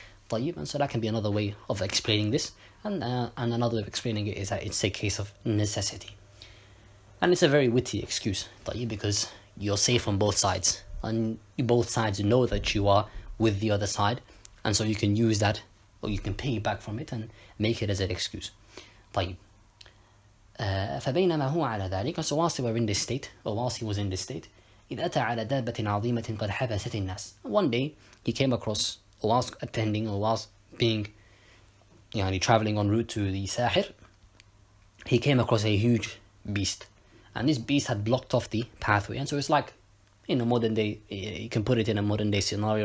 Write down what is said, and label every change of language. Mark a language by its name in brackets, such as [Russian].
[English] طيب, and so that can be another way of explaining this. And another way of explaining it is that it's a case of necessity. And it's a very witty excuse, طيب, because you're safe on both sides. And both sides know that you are with the other side, and so you can use that, or you can pay back from it and make it as an excuse. [Arabic] طيب. فبينما هو على ذلك, [English] so whilst he was in this state, [Arabic] إذ أتى على دابة عظيمة قد حبست الناس. [English] One day he came across, whilst attending or whilst being, يعني traveling en route to the ساحر, he came across a huge beast, and this beast had blocked off the pathway. And so it's like, in a modern day, you can put it in a modern day scenario.